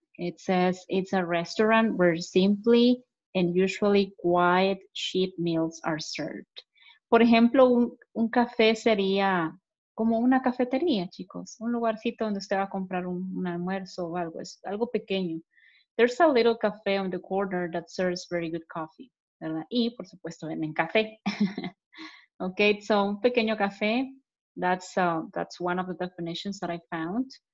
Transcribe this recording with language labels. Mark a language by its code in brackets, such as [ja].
[en] It says, it's a restaurant where simply and usually quiet, cheap meals are served. [es] Por ejemplo, un café sería como una cafetería, chicos. Un lugarcito donde usted va a comprar un almuerzo o algo. Es algo pequeño. [en] There's a little café on the corner that serves very good coffee, ¿verdad? [es] Y, por supuesto, venden café. Okay, so un pequeño café. [en] That's one of the definitions that I found.